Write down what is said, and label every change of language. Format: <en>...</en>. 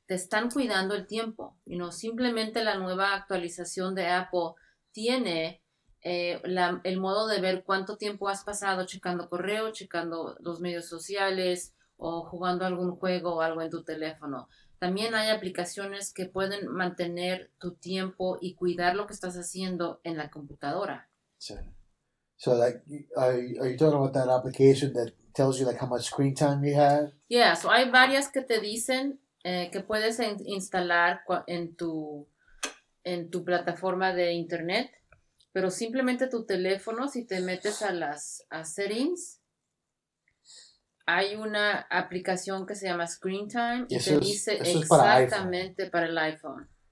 <es>te están cuidando el tiempo.</es> <en>You know,</en> <es>simplemente la nueva actualización de Apple tiene el modo de ver cuánto tiempo has pasado checando correo, checando los medios sociales o jugando algún juego o algo en tu teléfono. También hay aplicaciones que pueden mantener tu tiempo y cuidar lo que estás haciendo en la computadora. Sí.</es> <en>So, like, are you talking about that application that tells you, like, how much screen time you have? Yeah, so</en> <es>hay varias que te dicen que puedes instalar en tu plataforma de internet, pero simplemente tu teléfono, si te metes a settings, hay una aplicación que se llama Screen Time y te dice exactamente para el iPhone.</es>